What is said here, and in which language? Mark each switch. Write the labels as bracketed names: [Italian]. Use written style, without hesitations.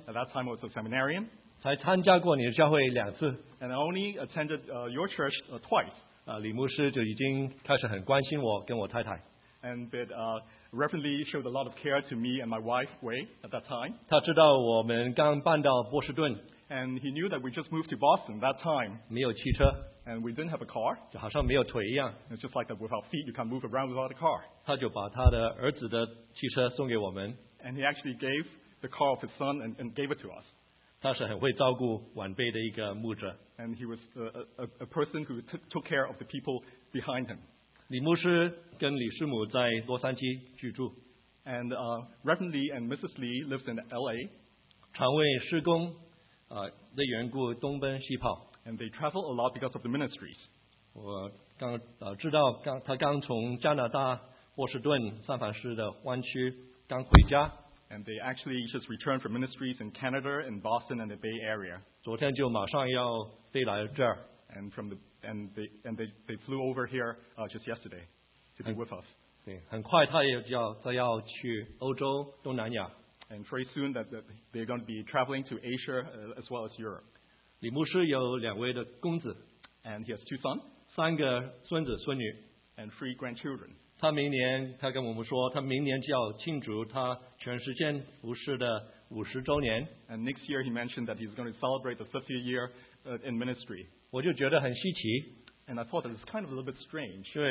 [English] at that time I was a seminarian. [Chinese] 才参加过你的教会两次, [English] and I only attended your church twice. [Chinese] 李牧师就已经开始很关心我, 跟我太太。 [English] And that Reverend Lee showed a lot of care to me and my wife, Wei, at that time. [Chinese] 他知道我们刚搬到波士顿, [English] and he knew that we just moved to Boston that time. [Chinese] 没有汽车, [English] and we didn't have a car. [Chinese] 就好像没有腿一样, [English] it's just like that without feet, you can't move around without a car. [Chinese] 他就把他的儿子的汽车送给我们, [English] and he actually gave the car of his son and gave it to us. [Chinese] 他是很会照顾晚辈的一个牧者, [English] and he was a person who took care of the people behind him. [Chinese] 李牧师跟李师母在洛杉矶居住, [English] and Reverend Lee and Mrs. Lee lives in LA. [Chinese] 常为施工, 的缘故东奔西跑, [English] and they travel a lot because of the ministries. [Chinese] 我刚知道他刚从加拿大波士顿三藩市的湾区刚回家, [English] and they actually just returned from ministries in Canada and Boston and the Bay Area. [Chinese] 昨天就马上要飞来这儿, [English] and from the and they flew over here just yesterday to be with us. [Chinese] 对，很快他也要再要去欧洲东南亚, [English] and very soon that they're going to be traveling to Asia as well as Europe. [Chinese] 李牧师有两位的公子, [English] and he has two sons, [Chinese] 三个孙子孙女, [English] and three grandchildren. [Chinese] 他明年他跟我们说，他明年就要庆祝他全时间服事的50周年, [English] and next year he mentioned that he's going to celebrate the 50th year in ministry. [Chinese] 我就觉得很稀奇, [English] and I thought it was kind of a little bit strange.